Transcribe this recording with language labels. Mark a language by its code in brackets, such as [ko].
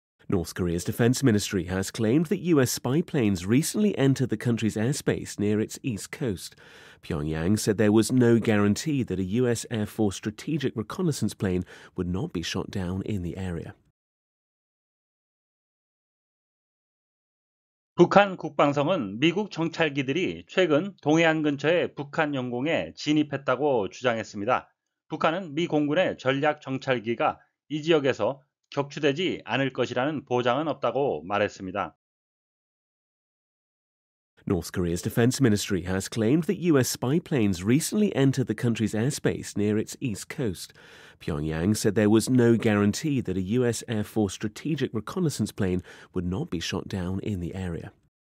[en] North Korea's defense ministry has claimed that U.S. spy planes recently entered the country's airspace near its east coast. Pyongyang said there was no guarantee that a U.S. Air Force strategic reconnaissance plane would not be shot down in the area. [ko] 북한 국방성은 미국 정찰기들이 최근 동해안 근처의 북한 영공에 진입했다고 주장했습니다. 북한은 미 공군의 전략 정찰기가 이 지역에서 격추되지 않을 것이라는 보장은 없다고 말했습니다. [en] North Korea's defense ministry has claimed that U.S. spy planes recently entered the country's airspace near its east coast. Pyongyang said there was no guarantee that a U.S. Air Force strategic reconnaissance plane would not be shot down in the area.